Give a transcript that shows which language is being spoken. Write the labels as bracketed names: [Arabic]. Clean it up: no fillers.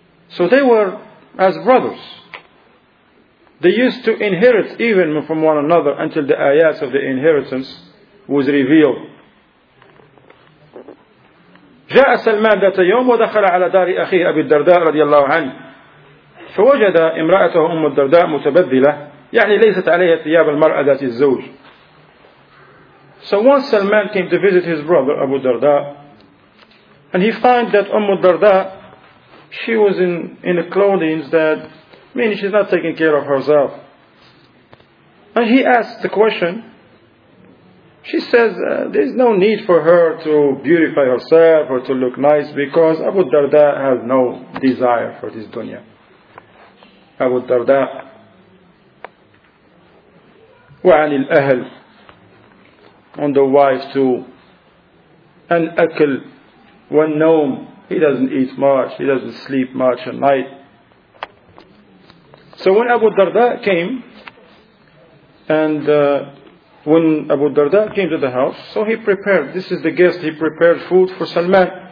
[English] So they were as brothers. They used to inherit even from one another until the ayats of the inheritance was revealed. [Arabic] جاء سلمان ذات يوم ودخل على دار أخيه أبي الدرداء رضي الله عنه فوجد امرأته أم الدرداء متبذلة يعني ليست عليها ثياب المرأة ذات الزوج. [English] So once Salman came to visit his brother Abu Darda and he found that أم الدرداء she was in the clothing that meaning she's not taking care of herself. And he asked the question. She says, there's no need for her to beautify herself or to look nice because Abu Darda has no desire for this dunya. Abu Darda. [Arabic] وعن الأهل [English] on the wife too. [Arabic] And أكل والنوم. [English] He doesn't eat much. He doesn't sleep much at night. So when Abu Darda came and when Abu Darda came to the house, so he prepared, this is the guest, he prepared food for Salman.